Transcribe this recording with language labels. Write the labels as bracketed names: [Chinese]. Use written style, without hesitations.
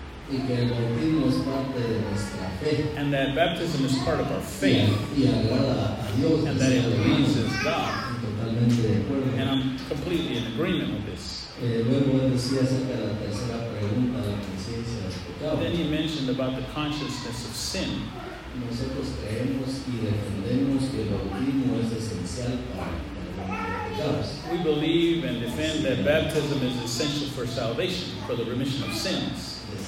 [Spanish] Y que el bautismo es parte de nuestra fe. [English] And that baptism is part of our faith. [Spanish] Y agrada a Dios, [English] and that it pleases God. [Spanish] Totalmente de acuerdo. [English] And I'm completely in agreement with this. [Spanish] Luego decía acerca de la tercera pregunta, la conciencia del pecado. [English] Then he mentioned about the consciousness of sin. [Spanish] Nosotros creemos y defendemos que el bautismo es esencial para pecados. [English] We believe and defend that baptism is essential for salvation, for the remission of sins.